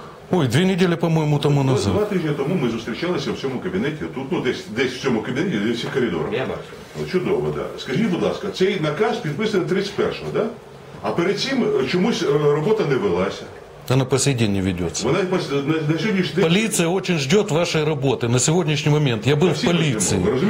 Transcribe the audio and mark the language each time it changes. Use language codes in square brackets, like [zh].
[ru] Ой, две недели, по-моему, тому назад. Два-три дня тому мы встречались в всем кабинете. Тут, ну, десь в всем кабинете, десь в коридорах. [uk] Я бачу. Чудово, да. Скажи, будь ласка, цей наказ підписаний 31-го, да? А перед цим чомусь робота не велася. [ru] Она по сей день не ведется. На сегодняшний... Полиция очень ждет вашей работы на сегодняшний момент. Я был в полиции.